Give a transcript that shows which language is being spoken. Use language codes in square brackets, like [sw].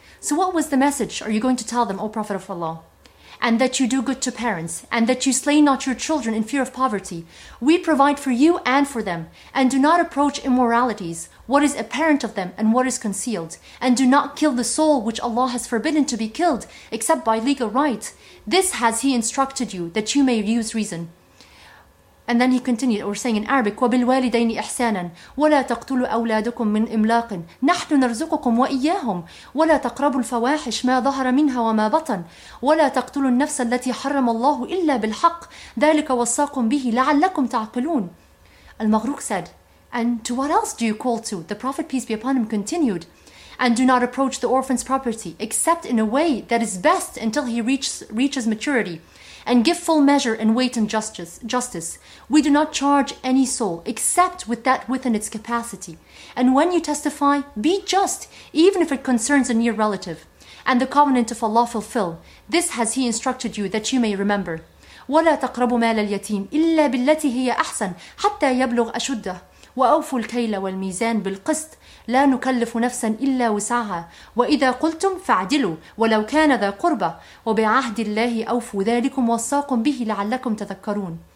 [en] So what was the message are you going to tell them, O Prophet of Allah? "And that you do good to parents, and that you slay not your children in fear of poverty. We provide for you and for them, and do not approach immoralities, what is apparent of them and what is concealed. And do not kill the soul which Allah has forbidden to be killed, except by legal right. This has He instructed you, that you may use reason." And then he continued, or saying in Arabic, [ar] وَبِالْوَالِدَيْنِ إِحْسَانًا وَلَا تَقْتُلُوا أَوْلَادُكُمْ مِنْ إِمْلَاقٍ نَحْنُ نَرْزُقُكُمْ وَإِيَّاهُمْ وَلَا تَقْرَبُوا الْفَوَاحِشْ مَا ظَهَرَ مِنْهَا وَمَا بَطَنْ وَلَا تَقْتُلُوا النَّفْسَ الَّتِي حَرَّمَ اللَّهُ إِلَّا بِالْحَقِّ ذَلِكَ وَصَّاكُمْ بِهِ لَعَلَّكُمْ تَعْقِلُونَ. [en] Al-Maghruq said, "And to what else do you call to?" The Prophet, peace be upon him, continued, "And do not approach the orphan's property, except in a way that is best until he reaches maturity. And give full measure and weight and justice. We do not charge any soul except with that within its capacity. And when you testify, be just, even if it concerns a near relative. And the covenant of Allah fulfill. This has He instructed you, that you may remember. [ar] وَلَا تَقْرَبُوا مَالَ الْيَتِيمِ إِلَّا بِالَّتِي هِيَ أَحْسَنَ حَتَّى يَبْلُغْ أَشُدَّهِ وَأَوْفُوا الْكَيْلَ وَالْمِيزَانِ بِالْقِسْطِ لا نكلف نفسا إلا وسعها وإذا قلتم فاعدلوا ولو كان ذا قربة وبعهد الله أوفوا ذلكم وصاكم به لعلكم تذكرون.